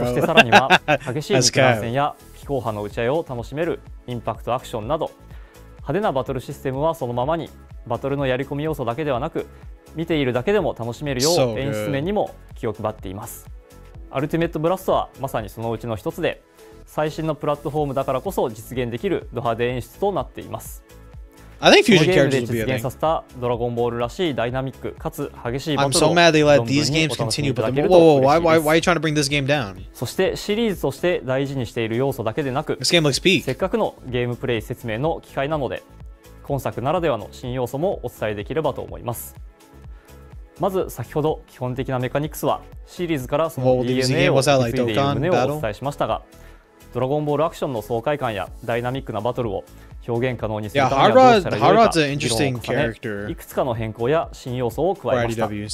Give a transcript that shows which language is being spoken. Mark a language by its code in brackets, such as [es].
[ja] そしてさらには激しい肉弾戦や飛行波の打ち合いを楽しめるインパクトアクションなど、派手なバトルシステムはそのままに、バトルのやり込み要素だけではなく見ているだけでも楽しめるよう演出面にも気を配っています。アルティメットブラストはまさにそのうちの一つで、最新のプラットフォームだからこそ実現できるド派手演出となっています。 [en] I think future characters will be a thing. [ja] ゲームで実現させたドラゴンボールらしいダイナミックかつ激しいバトルを [en] I'm so mad they let these games continue, but the... whoa, whoa, why are you trying to bring this game down? [ja] そしてシリーズとして大事にしている要素だけでなく、 [en] This game looks peak. [ja] せっかくのゲームプレイ説明の機会なので、今作ならではの新要素もお伝えできればと思います。まず先ほど基本的なメカニクスはシリーズからその DNA を受け継いでいる旨をお伝えしましたが、ドラゴンボールアクションの爽快感やダイナミックなバトルを表現可能にするためにはどうしたらいいか、議論を重ね、いくつかの変更や新要素を加えました。